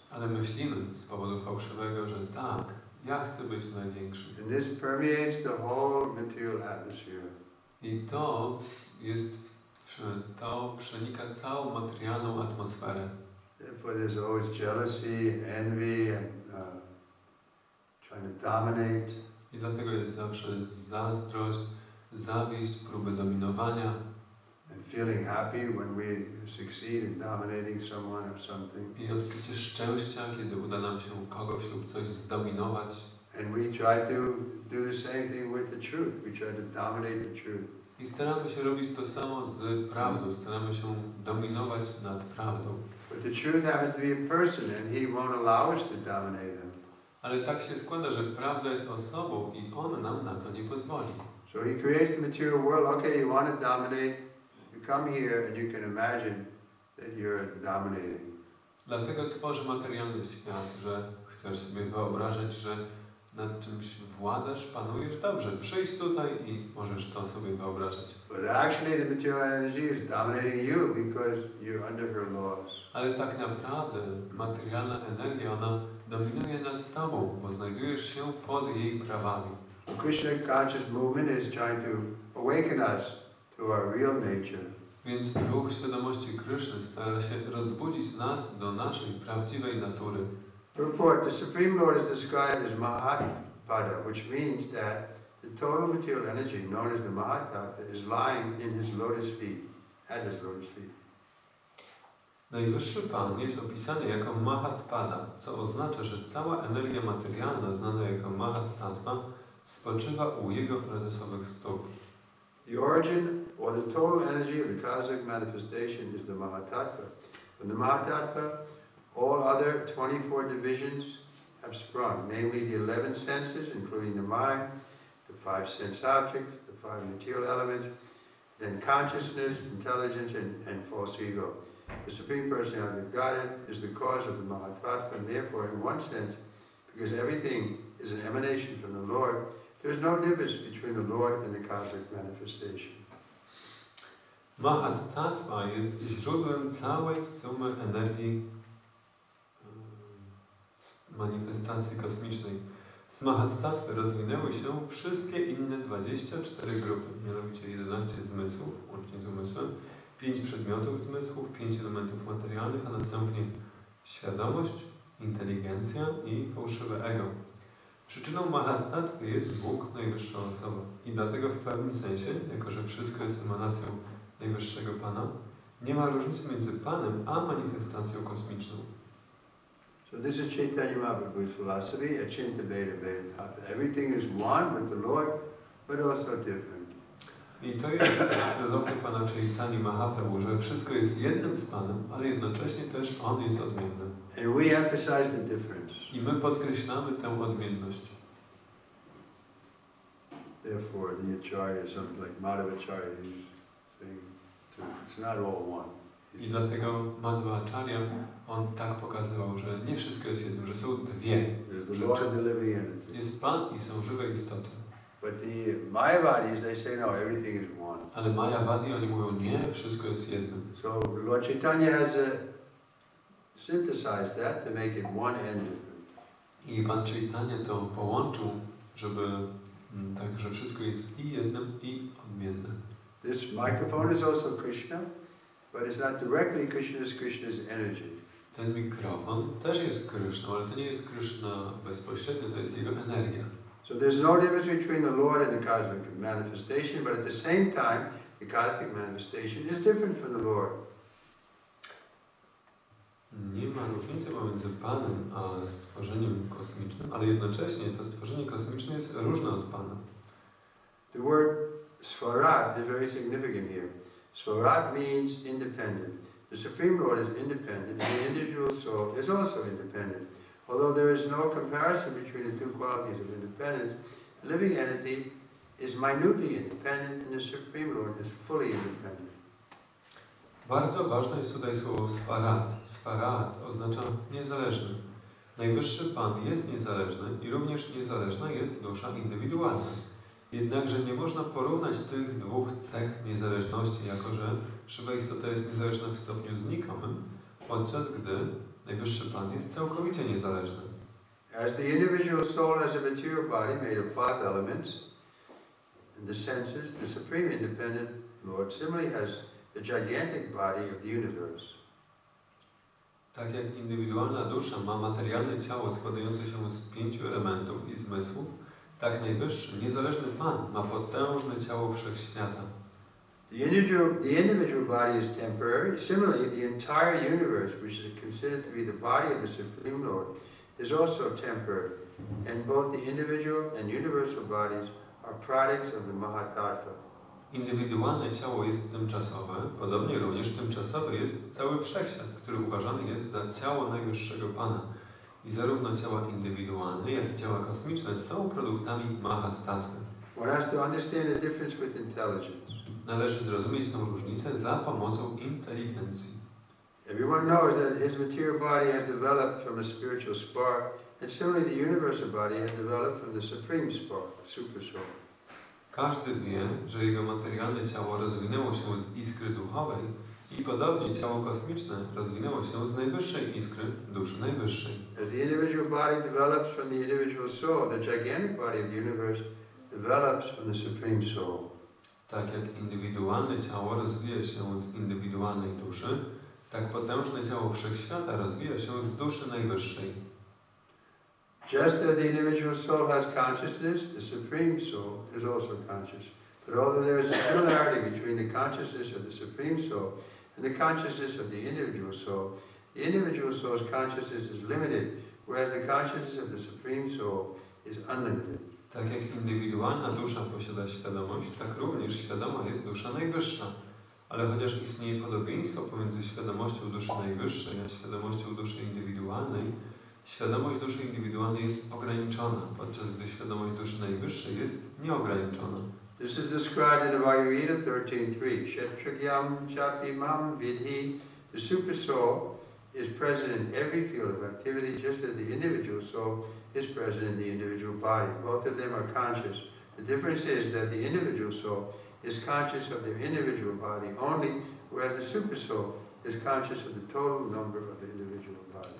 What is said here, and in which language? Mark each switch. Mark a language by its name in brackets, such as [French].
[Polish] Ale myślimy z powodu fałszywego, że tak, ja chcę być największy. [English] And this permeates the whole material atmosphere. [Polish] I to jest to przenika całą materialną atmosferę. [English] Therefore, there's always jealousy, envy, and trying to dominate. [Polish] I dlatego jest zawsze zazdrość, zawiść, próby dominowania. [English] And feeling happy when we succeed in dominating someone or something. [Polish] I odczucie szczęścia, kiedy uda nam się kogoś lub coś zdominować. [English] And we try to do the same thing with the truth. We try to dominate the truth. [Polish] I staramy się robić to samo z prawdą. Staramy się dominować nad prawdą. [English] But the truth happens to be a person, and he won't allow us to dominate him. [Polish] Ale tak się składa, że prawda jest osobą i on nam na to nie pozwoli. [English] So he creates the material world. Okay, you want to dominate. You come here and you can imagine that you're dominating. [Polish] Dlatego tworzy materialny świat, że chcesz sobie wyobrażać, że nad czymś władasz, panujesz. Dobrze, przyjdź tutaj i możesz to sobie wyobrażać. [English] But actually the material energy is dominating you because you're under her laws. [Polish] Ale tak naprawdę materialna energia, ona dominuje nad tobą, bo znajdujesz się pod jej prawami. [English] The Krishna conscious movement is trying to awaken us to our real nature. [Polish] Więc ruch świadomości Krishna stara się rozbudzić nas do naszej prawdziwej natury. [English] Report: the Supreme Lord is described as Mahatpada, which means that the total material energy known as the Mahatpada is lying in his lotus feet, at his lotus feet. [Polish] Najwyższy Pan jest opisany jako Mahatpada, co oznacza, że cała energia materialna znana jako Mahatattva spoczywa u jego lotosowych stóp. [English] The origin or the total energy of the cosmic manifestation is the Mahatattva. From the Mahatattva, all other 24 divisions have sprung, namely the 11 senses, including the mind, the 5 sense objects, the 5 material elements, then consciousness, intelligence, and false ego. The Supreme Personality of Godhead is the cause of the Mahatattva, and therefore, in one sense, because everything is an emanation from the Lord, there is no difference between the Lord and the cosmic manifestation. [Polish] Mahatattva is źródłem całej sumy energii manifestacji kosmicznej. Z Mahatattwy rozwinęły się wszystkie inne 24 grupy, mianowicie 11 zmysłów, łącznie z umysłem, 5 przedmiotów zmysłów, 5 elementów materialnych, a następnie świadomość, inteligencja i fałszywe ego. Przyczyną Mahatattwy jest Bóg, najwyższa osoba. I dlatego w pewnym sensie, jako że wszystko jest emanacją najwyższego Pana, nie ma różnicy między Panem a manifestacją kosmiczną. [English] So this is Chaitanya Mahaprabhu's philosophy, Achintabheda Vedatattva. Everything is one with the Lord, but also different. [Polish] I to jest filozofia Pana Chaitanya Mahaprabhu, że wszystko jest jednym z Panem, ale jednocześnie też On jest odmienny. [English] And we emphasize the difference. [Polish] I my podkreślamy tę odmienność. [English] Therefore the Acharya, something like Madhvacharya, is saying it's not all one. [Polish] I dlatego Madhva Acharya, on tak pokazywał, że nie wszystko jest jedno, że są dwie rzeczy. Jest Pan i są żywe istoty. [English] But the Mayavadis, they say, no, everything is one. [Polish] Ale Mayavadi, oni mówią, nie, wszystko jest jedno. [English] So Lord Chaitanya has synthesized that to make it one and different. [Polish] I Pan Chaitanya to połączył, żeby tak, że wszystko jest i jednym, i odmiennym. [English] This microphone is also Krishna. But it's not directly Krishna's, Krishna's energy. [Polish] Ten mikrofon też jest Krishna, ale to nie jest Krishna bezpośrednio, to jest jego energia. [English] So there's no difference between the Lord and the cosmic manifestation, but at the same time, the cosmic manifestation is different from the Lord. [Polish] Nie ma różnicy pomiędzy Panem a stworzeniem kosmicznym, ale jednocześnie to stworzenie kosmiczne jest różne od Pana. [English] The word svarat is very significant here. Svarat means independent. The Supreme Lord is independent, and the individual soul is also independent. Although there is no comparison between the two qualities of independence, the living entity is minutely independent, and the Supreme Lord is fully independent. [Polish] Bardzo ważne jest tutaj słowo Svarat. Svarat oznacza niezależny. Najwyższy Pan jest niezależny i również niezależna jest dusza indywidualna. Jednakże nie można porównać tych dwóch cech niezależności, jako że żywa istota jest niezależna w stopniu znikomym, podczas gdy Najwyższy Pan jest całkowicie niezależny. [English] As the individual soul has a material body made of five elements, and the senses, the supreme independent Lord similarly has the gigantic body of the universe. [Polish] Tak jak indywidualna dusza ma materialne ciało składające się z pięciu elementów i zmysłów, tak Najwyższy, niezależny Pan ma potężne ciało Wszechświata. [English] The individual body is temporary. Similarly, the entire universe, which is considered to be the body of the Supreme Lord, is also temporary. And both the individual and universal bodies are products of the Mahatattva. [Polish] Indywidualne ciało jest tymczasowe, podobnie również tymczasowy jest cały Wszechświat, który uważany jest za ciało Najwyższego Pana. I zarówno ciała indywidualne, jak i ciała kosmiczne są produktami Mahatattwy. [English] One has to understand the difference with intelligence. [Polish] Należy zrozumieć tę różnicę za pomocą inteligencji. [English] Everyone knows that his material body has developed from a spiritual spark, and similarly the universal body has developed from the supreme spark, super soul. [Polish] Każdy wie, że jego materialne ciało rozwinęło się z iskry duchowej i podobnie ciało kosmiczne rozwinęło się z najwyższej iskry, duszy najwyższej. [English] As the individual body develops from the individual soul, the gigantic body of the universe develops from the supreme soul. [Polish] Tak jak indywidualne ciało rozwija się z indywidualnej duszy, tak potężne ciało Wszechświata rozwija się z duszy najwyższej. [English] Just as the individual soul has consciousness, the supreme soul is also conscious. But although there is a similarity between the consciousness of the supreme soul and the consciousness of the individual soul's consciousness is limited, whereas the consciousness of the supreme soul is unlimited. [Polish] Tak jak indywidualna dusza posiada świadomość, tak również świadoma jest dusza najwyższa. Ale chociaż istnieje podobieństwo pomiędzy świadomością duszy najwyższej a świadomością duszy indywidualnej, świadomość duszy indywidualnej jest ograniczona, podczas gdy świadomość duszy najwyższej jest nieograniczona. [English] This is described in the Ayurveda 13.3. Kshatriyam Chapimam Vidhi. The super soul is present in every field of activity, just as the individual soul is present in the individual body. Both of them are conscious. The difference is that the individual soul is conscious of their individual body only, whereas the super soul is conscious of the total number of individual bodies.